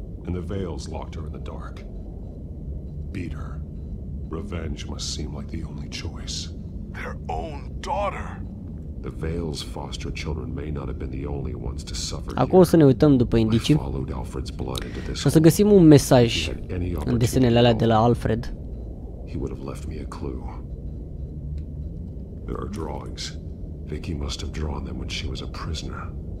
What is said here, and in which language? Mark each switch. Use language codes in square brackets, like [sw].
[en] And the veils locked her in the dark. Beat her. Revenge must seem like the only choice. Their own daughter. The veils foster children may not have been the only ones to suffer. [ro] Acum să ne uităm după indicii. O să găsim un mesaj în desenele alea de la Alfred. [en] He would have left me a clue. There are drawings. Vicky must have drawn them when she was a prisoner.